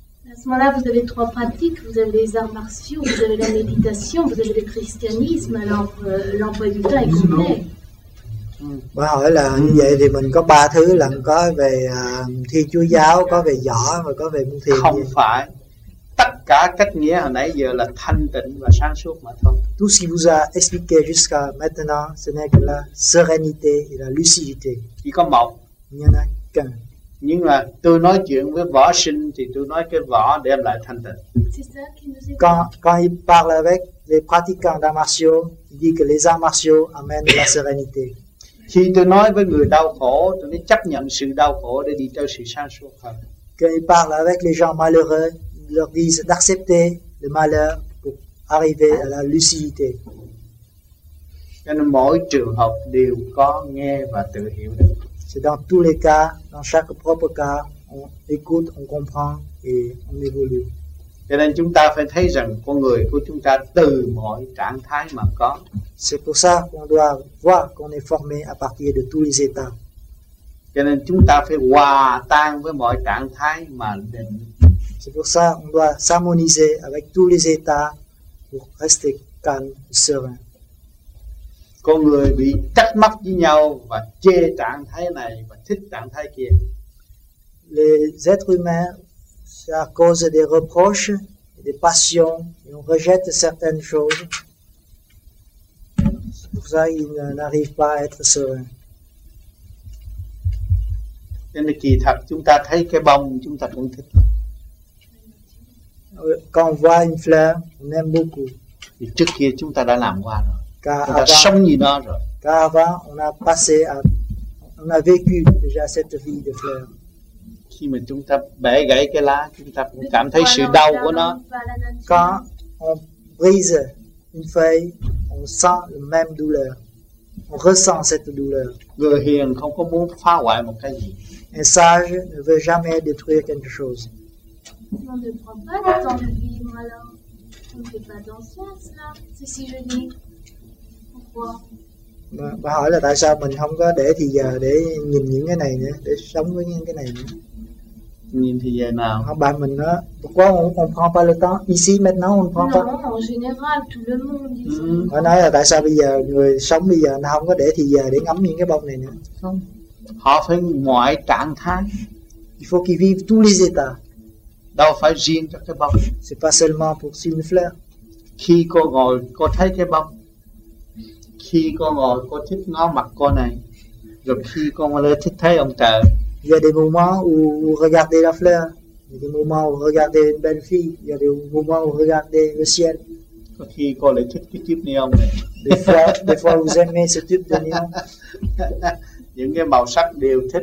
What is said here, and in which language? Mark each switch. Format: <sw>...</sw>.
<fr>À ce moment-là, vous avez trois pratiques. Vous avez les arts martiaux, vous avez la méditation, vous avez le christianisme. Alors, l'emploi du temps est complet.</fr> <vi>Bà hỏi là như vậy thì mình có ba thứ là có về thi Chúa giáo, có về võ và có về môn thiền. Không phải. Tất cả cách nghĩa hồi nãy giờ là thanh tịnh và sáng suốt mà thôi.</vi> <fr>Tout ce qui vous a expliqué jusqu'à maintenant, ce n'est que la sérénité et la lucidité.</fr> <vi>Chỉ có một. Nhưng mà tôi nói chuyện với võ sinh thì tôi nói cái võ đem lại thanh tịnh.</vi> <fr>Quand il parle avec les pratiquants d'arts martiaux, il dit que les arts martiaux amènent la sérénité.</fr> <vi>Khi tôi nói với người đau khổ, tôi mới chấp nhận sự đau khổ để đi theo sự sáng suốt hơn.</vi> <fr>Quand il parle avec les gens malheureux, il leur dit d'accepter le malheur pour arriver à la lucidité.</fr> <vi>Cho nên mỗi trường hợp đều có nghe và tự hiểu được.</vi> <fr>C'est dans tous les cas, dans chaque propre cas, on écoute, on comprend et on évolue.</fr> <vi>Cho nên chúng ta phải thấy rằng con người của chúng ta từ mọi trạng thái mà có.</vi> <fr>C'est pour ça qu'on doit voir qu'on est formé à partir de tous les états.</fr> <vi>Cho nên chúng ta phải hòa tan với mọi trạng thái mà định.</vi> <fr>C'est pour ça qu'on doit s'harmoniser avec tous les états pour rester calme et serein.</fr> <vi>Con người bị trách móc với nhau và chê trạng thái này và thích trạng thái kia.</vi> <fr>Les êtres humains, c'est à cause des reproches, des passions, et on rejette certaines choses. C'est pour ça qu'ils n'arrivent pas à être sereins.</fr> <vi>Nên kỳ thật, chúng ta thấy cái bông, chúng ta cũng thích.</vi> <fr>Quand on voit une fleur, on aime beaucoup.</fr> <vi>Thì trước kia chúng ta đã làm qua rồi. Chúng ta sống như nó rồi.</vi> <fr>Car avant, on a vécu déjà cette vie de fleur.</fr> <vi>Khi mà chúng ta bẻ gãy cái lá, chúng ta cũng cảm thấy sự đau của nó.</vi> <fr>Quand on brise une feuille, on sent la même douleur. On ressent cette douleur.</fr> <vi>Người hiền không có muốn phá hoại một cái gì.</vi> <fr>Un sage ne veut jamais détruire quelque chose. On ne prend pas le temps de vivre alors. On ne fait pas d'ancien cela. C'est si joli. Pourquoi?</fr> <vi>Bà hỏi là tại sao mình không có để thì giờ để nhìn những cái này nữa, để sống với những cái này nữa. Nhìn thì giờ nào? Không, bạn mình đó.</vi> <fr>Pourquoi on prend pas le temps ici maintenant? On prend non, pas. En général, tout le monde.</fr> <vi>Họ nói là tại sao bây giờ người sống bây giờ nó không có để thì giờ để ngắm những cái bông này nữa? Không. Họ phải mọi trạng thái.</vi> <fr>Il faut qu'ils vivent tous les états.</fr> <vi>Đâu phải riêng cho cái bông.</vi> <fr>C'est pas seulement pour une fleur.</fr> <vi>Khi cô ngồi, cô thấy cái bông. Khi cô ngồi, cô thích ngó mặt cô này. Rồi khi cô ngồi, thích thấy ông trời.</vi> <fr>Il y a des moments où vous regardez la fleur, il y a des moments où vous regardez une belle fille, il y a des moments où vous regardez le ciel. Des fois vous aimez ce type de néon.</fr>